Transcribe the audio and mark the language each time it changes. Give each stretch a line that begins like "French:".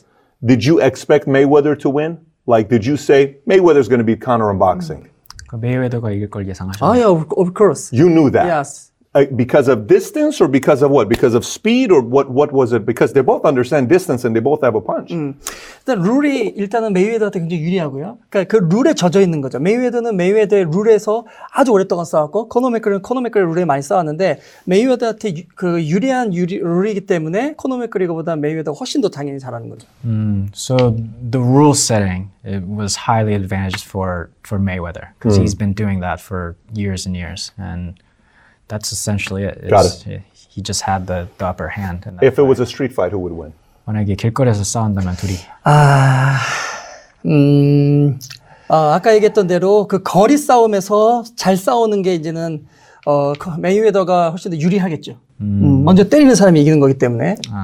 English: it. Did you expect Mayweather to win? Like, did you say Mayweather's going to beat Conor in boxing?
Korean: Mayweather가 이길 걸 예상하셨나요?
English: Oh, yeah, of course. You knew that. Yes. Because of distance or because of what? Because of speed or what was it? Because they both understand distance and they both have a punch.
Korean: 일단 룰이 일단은 메이웨더한테 굉장히 유리하고요. 그러니까 그 룰에 젖어 있는 거죠. 메이웨더는 메이웨더의 룰에서 아주 오랫동안 싸웠고 코너 맥그리는 코너 맥그리 룰에 많이 싸웠는데 메이웨더한테 그 유리한 룰이기 때문에 코너 맥그리보다 메이웨더가 훨씬 더 당연히 잘하는 거죠.
English: So the rule setting it was highly advantageous for Mayweather because he's been doing that for years and years and that's essentially it. Got it. He just had the upper hand. In that if it fight. Was a street fight, who would win?
Korean: 만약에 길거리에서 싸운다면 둘이. 아까 얘기했던 대로 그 거리 싸움에서 잘 싸우는 게 이제는 메이웨더가 훨씬 더 유리하겠죠. 먼저 때리는 사람이 이기는 거기 때문에.